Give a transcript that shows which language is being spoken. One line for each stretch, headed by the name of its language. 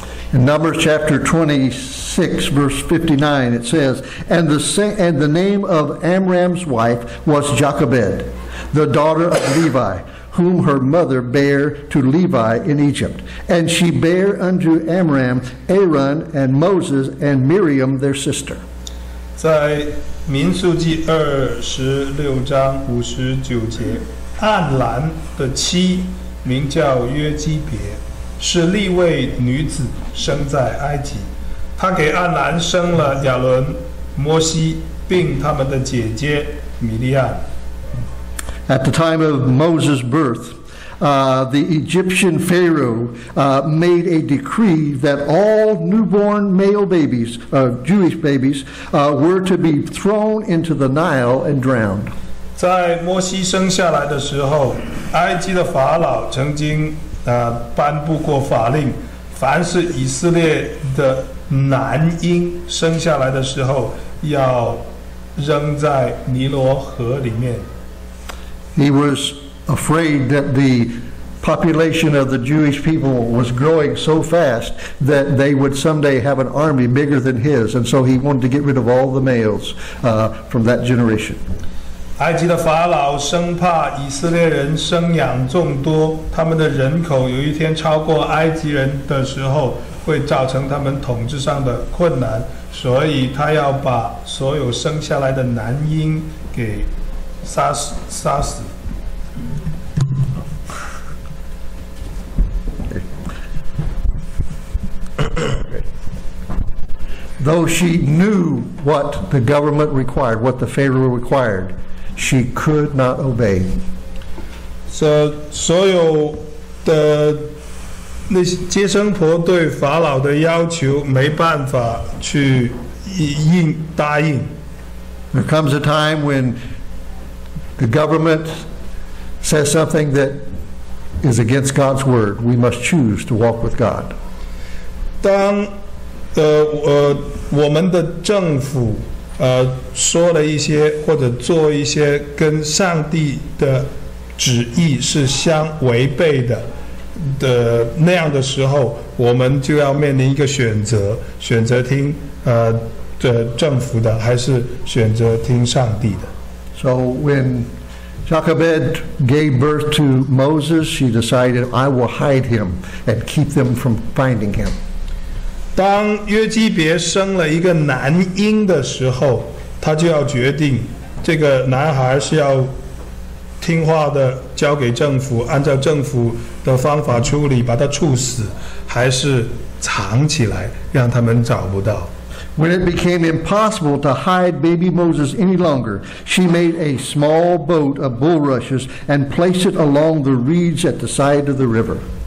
English: In Numbers chapter 26, verse 59, it says, And the name of Amram's wife was Jochebed, the daughter of Levi, whom her mother bare to Levi in Egypt. And she bare unto Amram Aaron and Moses and Miriam their sister.
Chinese: 在民数记二十六章五十九节，暗兰的妻名叫约基别，是利未女子，生在埃及。她给暗兰生了亚伦、摩西，并他们的姐姐米利亚。
English: At the time of Moses' birth, the Egyptian Pharaoh made a decree that all newborn male babies, Jewish babies, were to be thrown into the Nile and drowned.
Chinese: 在摩西生下来的时候，埃及的法老曾经颁布过法令，凡是以色列的男婴生下来的时候，要扔在尼罗河里面。
English: He was afraid that the population of the Jewish people was growing so fast that they would someday have an army bigger than his, and so he wanted to get rid of all the males from that generation.
Chinese: 埃及的法老生怕以色列人生养众多，他们的人口有一天超过埃及人的时候，会造成他们统治上的困难，所以他要把所有生下来的男婴给杀死。
English: Though she knew what the government required, what the Pharaoh required, she could not obey.
Chinese: So, 所有的那些接生婆对法老的要求没办法去答应。
English: There comes a time when the government says something that is against God's word. We must choose to walk with God.
Chinese: 当我们的政府说了一些或者做一些跟上帝的旨意是相违背的那样的时候，我们就要面临一个选择听政府的，还是选择听上帝的。
English: So when Jochebed gave birth to Moses, she decided, I will hide him and keep them from finding him.
Chinese: 当约基别生了一个男婴的时候，他就要决定这个男孩是要听话的交给政府，按照政府的方法处理，把他处死，还是藏起来，让他们找不到。
English: When it became impossible to hide baby Moses any longer, she made a small boat of bulrushes and placed it along the reeds at the side of the river.